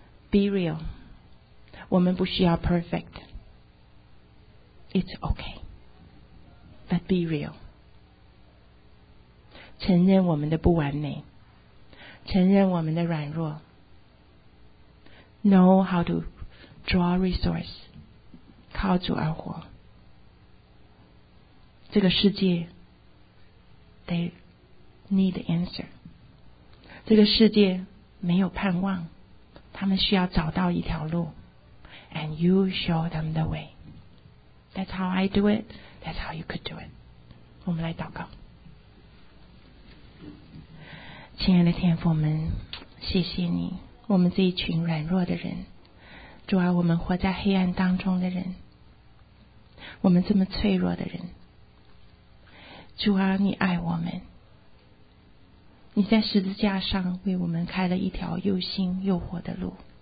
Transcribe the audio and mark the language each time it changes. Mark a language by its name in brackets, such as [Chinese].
[English] Be real， [Chinese] 我们不需要 perfect， [English] It's okay， But be real， [Chinese] 承认我们的不完美，承认我们的软弱， [English] Know how to draw resource， [Chinese] 靠主而活。这个世界 [English] They need answer， [Chinese] 这个世界没有盼望，他们需要找到一条路。 [English] And you show them the way. That's how I do it. That's how you could do it. [Chinese] 我们来祷告。亲爱的天父，我们谢谢你，我们这一群软弱的人，主啊，我们活在黑暗当中的人，我们这么脆弱的人，主啊，你爱我们，你在十字架上为我们开了一条又新又活的路。